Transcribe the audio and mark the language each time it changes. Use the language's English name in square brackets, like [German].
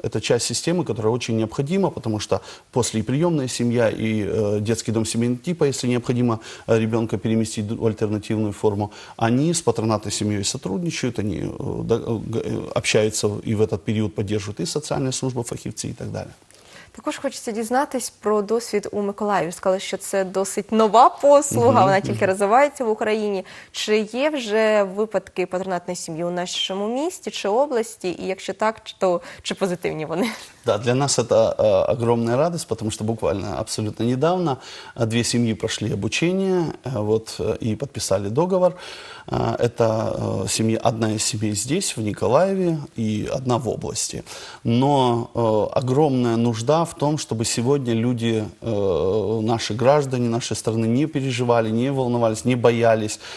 [Russian] Это часть системы, которая очень необходима, потому что после и приемная семья, и детский дом семейного типа, если необходимо ребенка переместить в альтернативную форму, они с патронатной семьей сотрудничают, они общаются и в этот период поддерживают и социальная служба, фахівці и так далее. [Ukrainian] Також хочеться дізнатись про досвід у Миколаєві. Сказали, що це досить нова послуга, вона тільки розвивається в Україні. Чи є вже випадки патронатної сім'ї у нашому місті чи області? І якщо так, то чи позитивні вони? [Russian] Да, для нас это огромная радость, потому что буквально абсолютно недавно две семьи прошли обучение вот, и подписали договор. Это семья, одна из семей здесь, в Николаеве, и одна в области. Но огромная нужда в том, чтобы сегодня люди, наши граждане нашей страны не переживали, не волновались, не боялись.